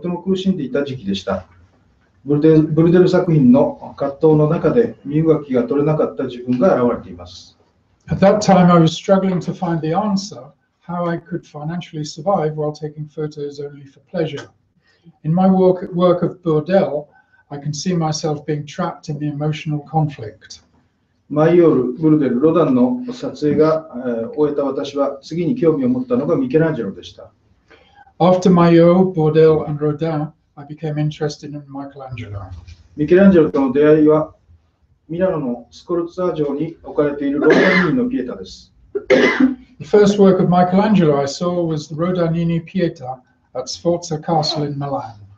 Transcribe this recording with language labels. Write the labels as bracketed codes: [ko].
[ja] 当時の私は自分のやりたいことと食べるたびにやらなければならないことのギャップにとても苦しんでいた時期でした。ブルデル作品の葛藤の中で身動きが取れなかった自分が現れています。 [en] At that time I was struggling to find the answer how I could financially survive while taking photos only for pleasure. In my work of Bourdelle, I can see myself being trapped in the emotional conflict. [ja] マイオール、ブルデル、ロダンの撮影が終えた私は次に興味を持ったのがミケランジェロでした。 [en] After Maillol, Bourdelle and Rodin, I became interested in Michelangelo. [ja] ミケランジェロとの出会いはミラノのスコルツァ城に置かれているロダニーニのピエタです。 [en] The first work of Michelangelo I saw was the Rodanini Pieta at Sforza Castle in Milan.